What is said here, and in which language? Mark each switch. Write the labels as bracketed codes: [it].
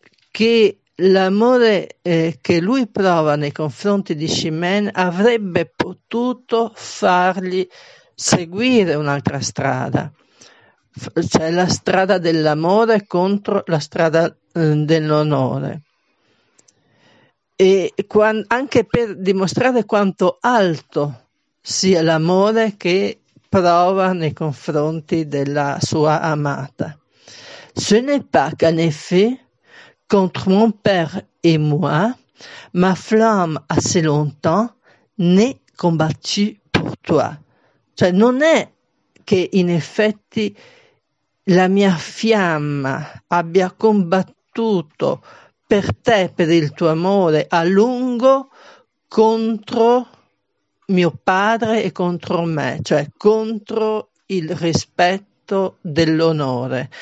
[it] che l'amore che lui prova nei confronti di Chimène avrebbe potuto fargli seguire un'altra strada, cioè la strada dell'amore contro la strada dell'onore. E anche per dimostrare quanto alto sia l'amore che prova nei confronti della sua amata. [fr] Ce n'est pas qu'en effet, contre mon père et moi, ma flamme assez longtemps n'est combattue pour toi. [it] Cioè, non è che in effetti la mia fiamma abbia combattuto per te, per il tuo amore, a lungo contro mio padre e contro me, cioè contro il rispetto dell'onore.